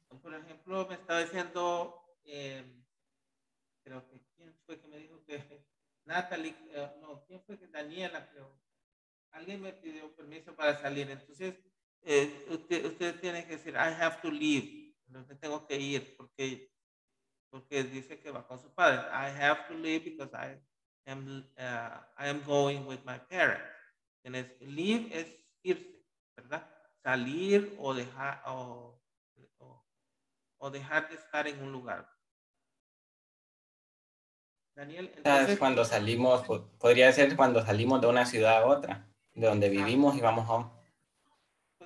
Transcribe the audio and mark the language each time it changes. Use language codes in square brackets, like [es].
[es] Por ejemplo, me estaba diciendo... creo que... ¿Quién fue que me dijo que... Natalie... no, ¿quién fue que Daniela creo? Alguien me pidió permiso para salir. Entonces, usted tiene que decir, [en] I have to leave. [es] No me tengo que ir porque dice que va con su padre. [en] I have to leave because I am going with my parents. [es] Entonces, leave es irse, ¿verdad? Salir o dejar de estar en un lugar. Daniel, entonces... Es cuando salimos, podría ser cuando salimos de una ciudad a otra. De donde vivimos y vamos a...